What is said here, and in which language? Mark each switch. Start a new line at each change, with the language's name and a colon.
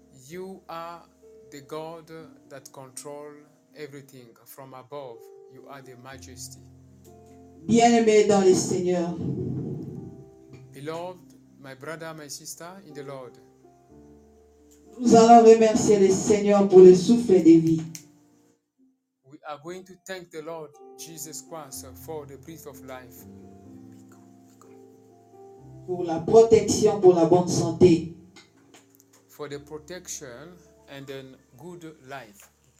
English: You are the God that controls everything from above. You are the majesty.
French: Bien-aimé dans le Seigneur.
English: Beloved, my brother, my sister, in the Lord.
French: Nous allons remercier le Seigneur pour le souffle de vie.
English: We are going to thank the Lord Jesus Christ for the breath of life.
French: Pour la protection, pour la bonne santé.
English: For the protection and a good life.